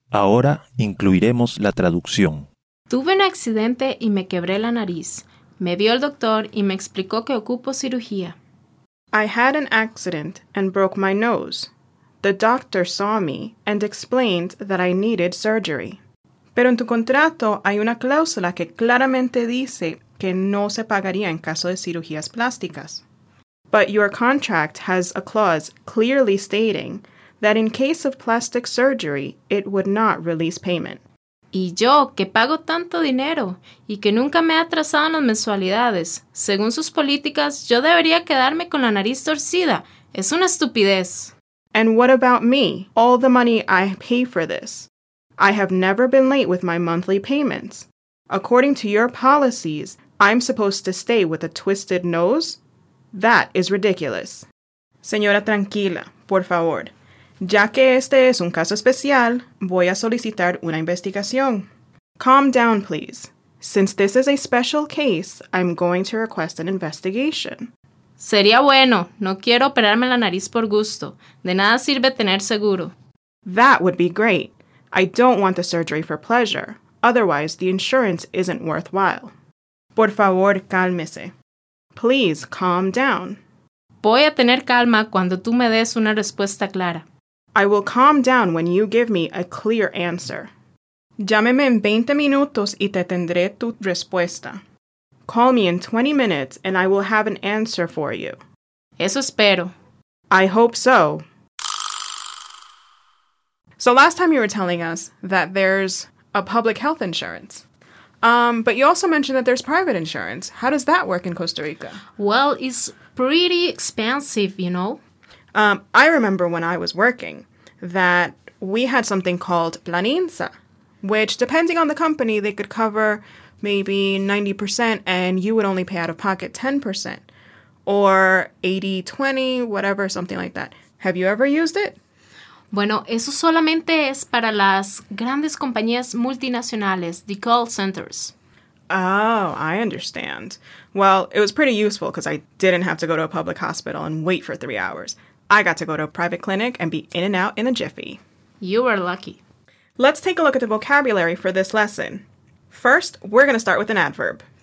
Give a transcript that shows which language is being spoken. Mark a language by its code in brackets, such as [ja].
[es] Ahora incluiremos la traducción. Tuve un accidente y me quebré la nariz. Me vio el doctor y me explicó que ocupo cirugía. [en] I had an accident and broke my nose. The doctor saw me and explained that I needed surgery. [es] Pero en tu contrato hay una cláusula que claramente dice que no se pagaría en caso de cirugías plásticas. [en] But your contract has a clause clearly stating that in case of plastic surgery, it would not release payment. [es] Y yo, que pago tanto dinero y que nunca me he atrasado en las mensualidades, según sus políticas, yo debería quedarme con la nariz torcida. Es una estupidez. [en] And what about me? All the money I pay for this. I have never been late with my monthly payments. According to your policies, I'm supposed to stay with a twisted nose? That is ridiculous. [es] Señora, tranquila, por favor. Ya que este es un caso especial, voy a solicitar una investigación. [en] Calm down, please. Since this is a special case, I'm going to request an investigation. [es] Sería bueno. No quiero operarme la nariz por gusto. De nada sirve tener seguro. [en] That would be great. I don't want the surgery for pleasure. Otherwise, the insurance isn't worthwhile. [es] Por favor, cálmese. [en] Please, calm down. [es] Voy a tener calma cuando tú me des una respuesta clara. [en] I will calm down when you give me a clear answer. [es] Llámeme en 20 minutos y te tendré tu respuesta. [en] Call me in 20 minutes and I will have an answer for you. [es] Eso espero. [en] I hope so. So last time you were telling us that there's a public health insurance. But you also mentioned that there's private insurance. How does that work in Costa Rica? Well, it's pretty expensive, you know. I remember when I was working that we had something called Plan INSA, which, depending on the company, they could cover maybe 90% and you would only pay out of pocket 10%, or 80-20, whatever, something like that. Have you ever used it? [es] Bueno, eso solamente es para las grandes compañías multinacionales, [en] the call centers. Oh, I understand. Well, it was pretty useful because I didn't have to go to a public hospital and wait for 3 hours. I got to go to a private clinic and be in and out in a jiffy. You were lucky. Let's take a look at the vocabulary for this lesson. First, we're going to start with an adverb.